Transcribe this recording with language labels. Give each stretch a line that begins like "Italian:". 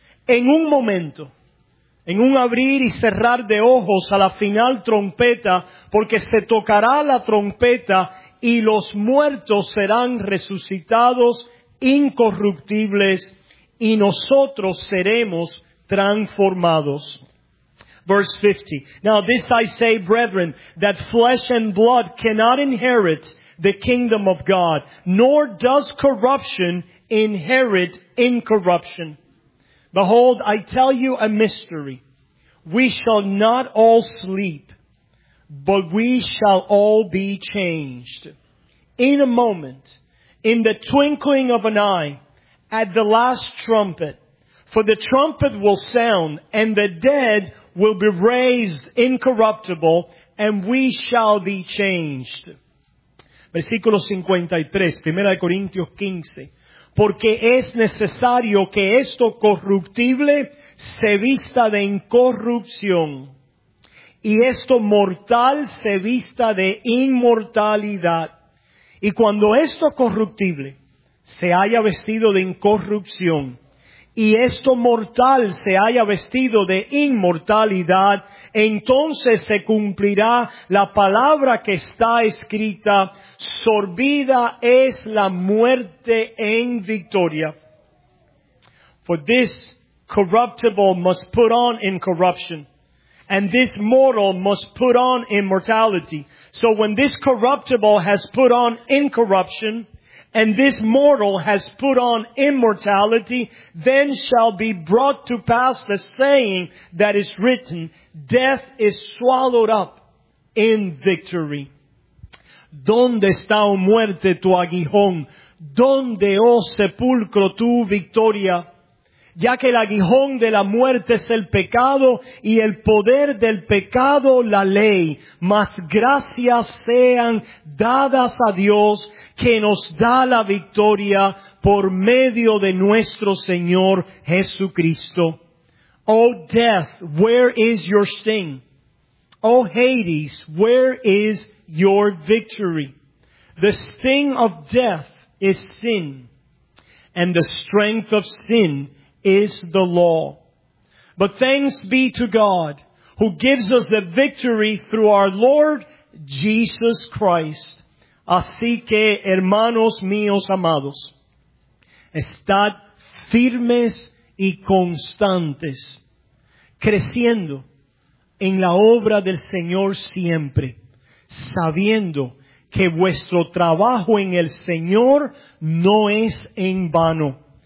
Spanish: En un momento, en un abrir y cerrar de ojos, a la final trompeta, porque se tocará la trompeta y los muertos serán resucitados incorruptibles y nosotros seremos transformados.
English: Verse 50. Now this I say, brethren, that flesh and blood cannot inherit the kingdom of God, nor does corruption inherit incorruption. Behold, I tell you a mystery. We shall not all sleep, but we shall all be changed. In a moment, in the twinkling of an eye, at the last trumpet, for the trumpet will sound, and the dead will be raised incorruptible, and we shall be changed.
Spanish: Versículo 53, Primera de Corintios 15. Porque es necesario que esto corruptible se vista de incorrupción, y esto mortal se vista de inmortalidad. Y cuando esto corruptible se haya vestido de incorrupción, y esto mortal se haya vestido de inmortalidad, entonces se cumplirá la palabra que está escrita: sorbida es la muerte en victoria.
English: For this corruptible must put on incorruption, and this mortal must put on immortality. So when this corruptible has put on incorruption, and this mortal has put on immortality, then shall be brought to pass the saying that is written, death is swallowed up in victory.
Spanish: ¿Dónde está, oh muerte, tu aguijón? ¿Dónde, oh sepulcro, tu victoria? Ya que el aguijón de la muerte es el pecado, y el poder del pecado la ley, mas gracias sean dadas a Dios, que nos da la victoria por medio de nuestro Señor Jesucristo.
English: Oh death, where is your sting? Oh Hades, where is your victory? The sting of death is sin, and the strength of sin is the law. But thanks be to God, who gives us the victory through our Lord Jesus Christ.
Spanish: Así que, hermanos míos amados, estad firmes y constantes, creciendo en la obra del Señor siempre, sabiendo que vuestro trabajo en el Señor no es en vano.